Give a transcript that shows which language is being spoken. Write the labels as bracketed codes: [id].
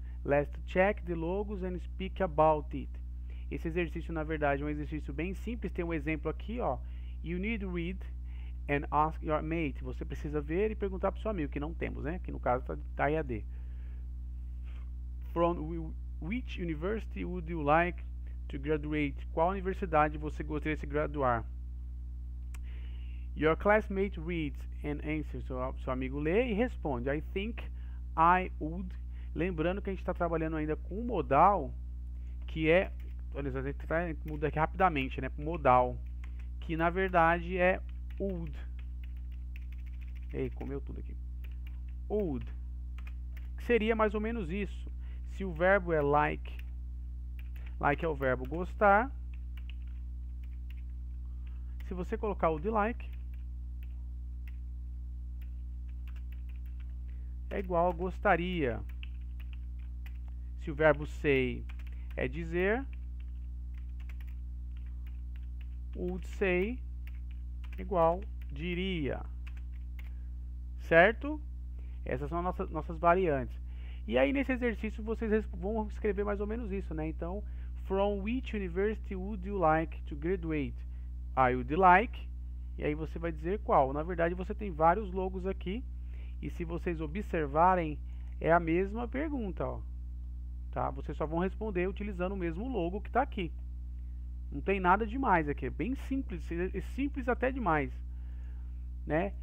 [en] Let's check the logos and speak about it. [pt] Esse exercício, na verdade, é um exercício bem simples. Tem um exemplo aqui, ó. [en] You need to read and ask your mate. [pt] Você precisa ver e perguntar para o seu amigo, que não temos, né? Que no caso tá IAD. [en] From which university would you like to graduate? [pt] Qual universidade você gostaria de se graduar? [en] Your classmate reads and answers. [pt] Seu amigo lê e responde. [en] I think I would. [pt] Lembrando que a gente está trabalhando ainda com o modal, que é. Olha, a gente muda aqui rapidamente, né? Modal. Que na verdade é would. Ei, comeu tudo aqui. Would. Que seria mais ou menos isso. Se o verbo é like. Like é o verbo gostar. Se você colocar o de like. É igual a gostaria. Se o verbo say é dizer. [en] Would say [pt] igual diria. Certo? Essas são as nossas variantes. E aí, nesse exercício, vocês vão escrever mais ou menos isso, né? [en] Então, from which university would you like to graduate? I would like. [pt] E aí, você vai dizer qual. Na verdade, você tem vários logos aqui. E se vocês observarem, é a mesma pergunta, ó. Tá? Vocês só vão responder utilizando o mesmo logo que está aqui. Não tem nada demais aqui, é bem simples, é simples até demais, né?